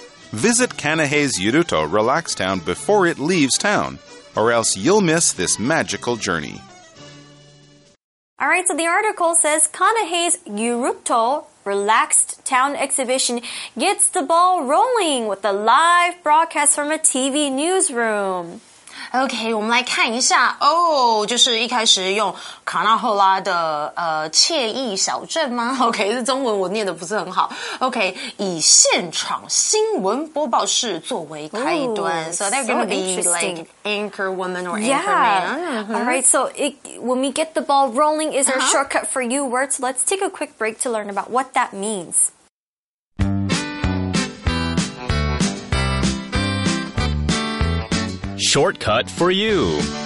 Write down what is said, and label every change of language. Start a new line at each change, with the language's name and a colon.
English: Visit Kanahei's Yuruto Relax Town before it leaves town, or else you'll miss this magical journey. All right, so the article says Kanahei's Yuruto Relaxed Town Exhibition gets the ball rolling with a live broadcast from a TV newsroom.
Chinese: OK, 我们来看一下。哦、oh, ，就是一开始用卡纳赫拉的惬意小镇吗 ？OK， 这中文我念的不是很好。 OK， 以现场新闻播报室作为开端。 Ooh,
English: so they're going to be like anchor woman or anchor man. All right, so when we get the ball rolling is our shortcut for you words. Let's take a quick break to learn about what that means. Shortcut for you.